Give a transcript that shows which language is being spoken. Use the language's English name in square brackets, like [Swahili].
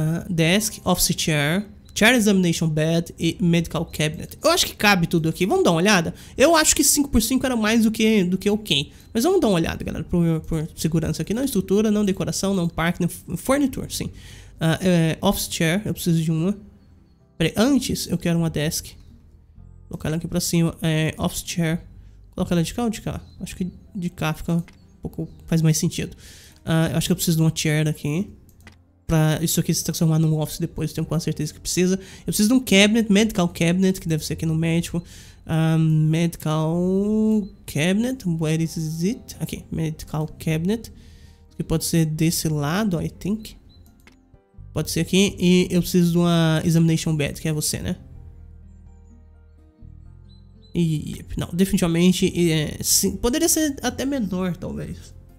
[English] Desk, office chair, chair examination bed e medical cabinet. [Portuguese] Eu acho que cabe tudo aqui. Vamos dar uma olhada? Eu acho que 5x5 era mais do que ok. Mas vamos dar uma olhada, galera, por segurança aqui. Não estrutura, não decoração, não parque, não furniture, sim. Office chair, eu preciso de uma. Peraí, antes eu quero uma desk. Colocar ela aqui pra cima. Office chair. Coloca ela de cá ou de cá? Acho que de cá fica um pouco... faz mais sentido. Eu acho que eu preciso de uma chair aqui. Pra isso aqui se transformar num office depois, tenho quase certeza que precisa. Eu preciso de um cabinet, medical cabinet, que deve ser aqui no médico. [English] Medical cabinet, where is it? [Portuguese] Aqui, medical cabinet. Que pode ser desse lado, [English] I think. [Portuguese] Pode ser aqui. E eu preciso de uma examination bed, que é você, né? E não, definitivamente, sim, poderia ser até menor, talvez.